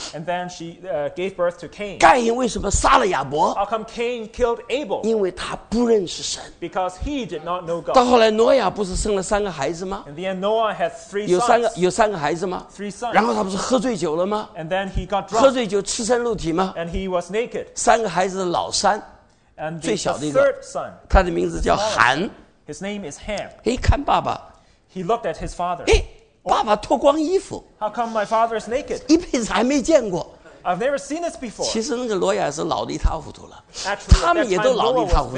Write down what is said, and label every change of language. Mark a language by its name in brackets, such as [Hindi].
[English] ？And then she gave birth to Cain. [Chinese] 该隐为什么杀了亚伯 [English] ？How come Cain killed Abel? [Chinese] 因为他不认识神。 [English] Because he did not know God. [Chinese] 到后来，挪亚不是生了三个孩子吗 [English] ？And then Noah had three sons. [Chinese] 有三个孩子吗 [English] ？Three sons. [Chinese] 然后他不是喝醉酒了吗 [English] ？And then he got drunk. [Chinese] 喝醉酒赤身露体吗 [English] ？And he was naked. [Chinese] 三个孩子的老三。 [English] And [Chinese] 最小的一个 [English] the third son, [Chinese] 他的名字叫韩 [English] His name is Ham. [Chinese] 嘿，看爸爸 [English] He looked at his father. [Chinese] 嘿，爸爸脱光衣服 [English] How come my father is naked? [Chinese] 一辈子还没见过 [English] I've never seen this before. [Chinese] 其实那个罗亚是老的一塌糊涂了 [English] Actually, [Chinese] 他们也都老的一塌糊涂